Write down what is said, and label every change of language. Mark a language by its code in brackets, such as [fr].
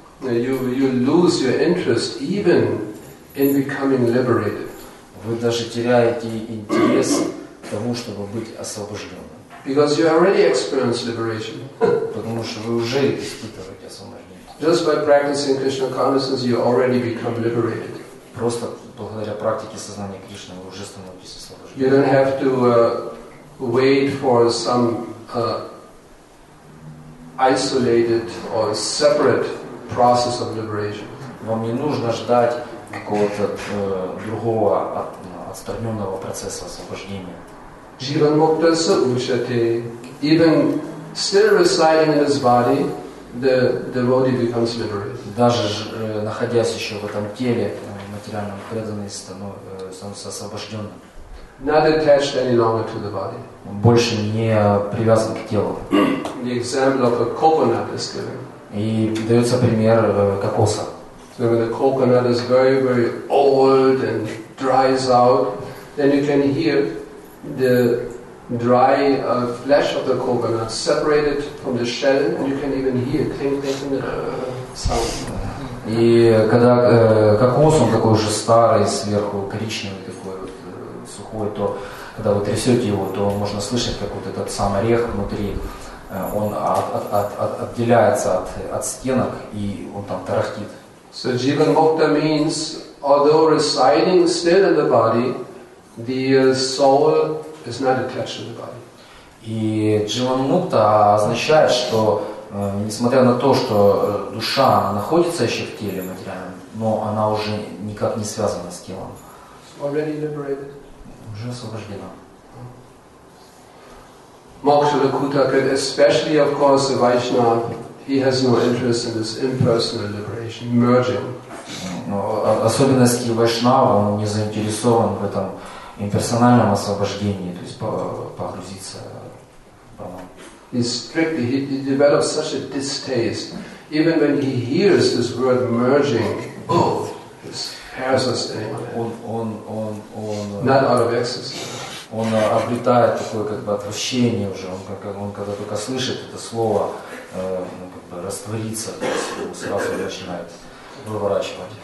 [en] You lose your interest even in becoming liberated. [ru] Вы даже теряете интерес к тому, чтобы быть освобожденным. [en] Because you already experienced liberation. [ru] Потому что вы уже испытываете освобождение. [en] Just by practicing Krishna consciousness, you already become liberated. [ru] Просто благодаря практике сознания Кришны вы уже становитесь освобожденным. [en] You don't have to wait for some isolated or separate process of liberation. [ru] Вам не нужно ждать какого-то другого отстраненного процесса освобождения. [sa] Jivan Mukta Sukhushate. [en] Even still residing in his body, the devotee becomes liberated. [ru] Даже находясь еще в этом теле, материальном преданный становится освобожденным. [en] Not attached any longer to the body. [ru] Больше не привязан к телу. [en] The example of a coconut is given. [ru] И дается пример кокоса. [en] So when the coconut is very, very old and dries out, then you can hear the dry flesh of the coconut separated from the shell, and you can even hear clinking sound. [ru] И когда кокос он такой уже старый, сверху коричневый такой вот сухой, то когда вы трясете его, то можно слышать, как вот этот сам орех внутри. Он отделяется от стенок и он там тарахтит. [en] So Jivan Mukta means, although residing still in the body, the soul is not attached to the body. [ru] И Jivan Mukta означает, что несмотря на то, что душа находится еще в теле материальном, но она уже никак не связана с телом. [en] Already liberated. [ru] Уже освобождена. [en] Moksha Lakuta, especially of course the Vaishnava. He has no interest in this impersonal liberation, merging. [ru] Особенности вайшнава, он не заинтересован в этом имперсональном освобождении, то есть погрузиться. [en] He develops such a distaste. Even when he hears this word merging, oh, his hairs are standing on end. Not out of excess. [ru] Он обретает такое как бы отвращение уже. Он когда только слышит это слово, как бы раствориться, сразу начинает выворачивать.